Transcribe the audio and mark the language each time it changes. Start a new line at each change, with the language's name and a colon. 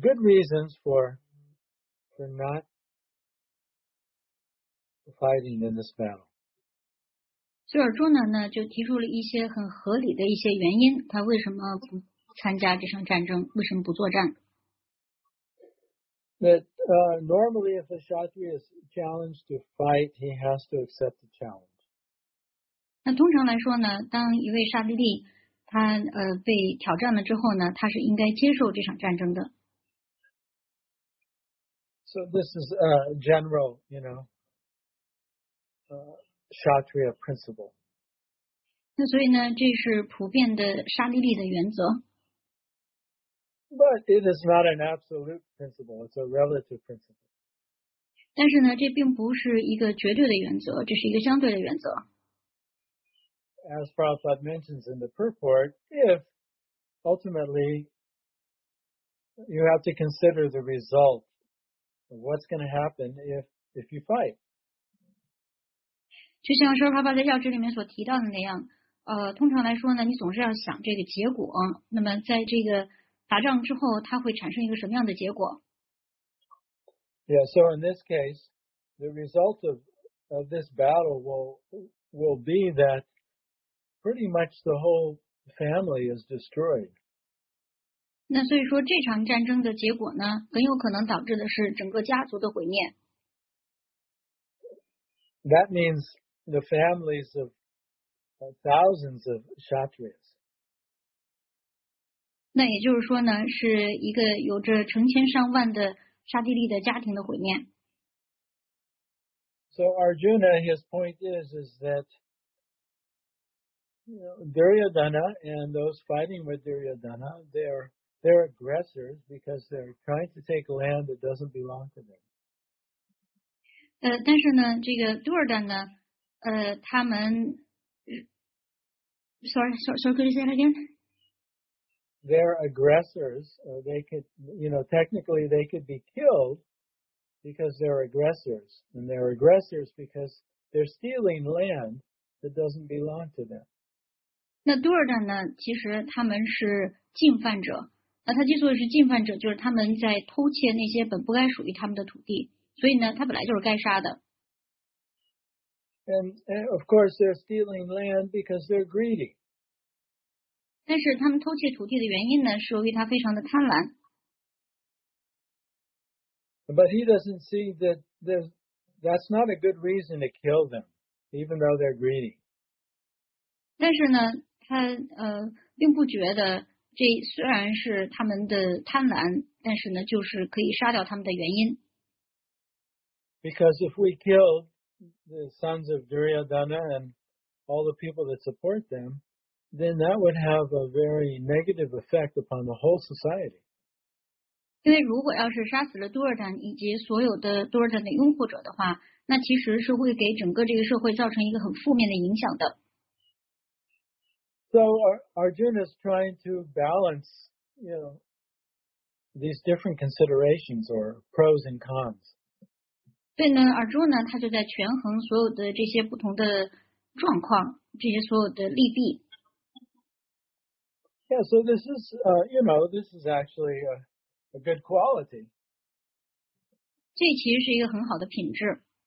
English: Good reasons for not fighting in this battle.
Chinese: 所以尔朱呢就提出了一些很合理的一些原因，他为什么不参加这场战争，为什么不作战。
English: That normally if a kshatriya is challenged to fight, he has to accept the challenge.
Chinese: 那通常来说呢，当一位沙利利他被挑战了之后呢，他是应该接受这场战争的。
English: So this is a general, you know, Kshatriya principle.
Chinese: 那所以呢，这是普遍的沙利利的原则。
English: But it is not an absolute principle, it's a relative principle.
Chinese: 但是呢，这并不是一个绝对的原则，这是一个相对的原则。
English: As Prabhupada mentions in the purport, if ultimately you have to consider the result of what's going to happen if you fight.
Chinese: 就像说 Prabhupada 在要旨里面所提到的那样，通常来说呢，你总是要想这个结果。那么在这个打仗之后，它会产生一个什么样的结果？
English: Yeah, so in this case, the result of this battle will be that pretty much the whole family is destroyed.
Chinese: 那所以说这场战争的结果呢，很有可能导致的是整个家族的毁灭。
English: That means the families of thousands of Kshatriyas.
Chinese: 那也就是说呢，是一个有着成千上万的沙地利的家庭的毁灭。
English: So Arjuna, his point is that Duryodhana and those fighting with Duryodhana, they're aggressors because they're trying to take land that doesn't belong to them.
Chinese: 但是呢，这个 Duryodhana 他们
English: ，sorry, could you say that again? They're aggressors. They could, you know, technically they could be killed because they're aggressors, and they're aggressors because they're stealing land that doesn't belong to them.
Chinese: 那多尔丹呢，其实他们是进犯者，那他之所以是进犯者，就是他们在偷窃那些本不该属于他们的土地，所以呢他本来就是该杀的。
English: And of course they're stealing land because they're greedy.
Chinese: 但是他们偷窃土地的原因呢，是由于他非常的贪婪。
English: But he doesn't see that that's not a good reason to kill them, even though they're greedy.
Chinese: 但是呢，他并不觉得这虽然是他们的贪婪，但是呢，就是可以杀掉他们的原因。
English: Because if we kill the sons of Duryodhana and all the people that support them, then that would have a very negative effect upon the whole society.
Chinese: 因为如果要是杀死了杜尔坦以及所有的杜尔坦的拥护者的话，那其实是会给整个这个社会造成一个很负面的影响的。
English: So Arjuna is trying to balance, you know, these different considerations or pros and cons.
Chinese: 对呢，尔朱呢，他就在权衡所有的这些不同的状况，这些所有的利弊。
English: Yeah, so this is, you know, this is actually a good quality.
Chinese: 这其实是一个很好的品质。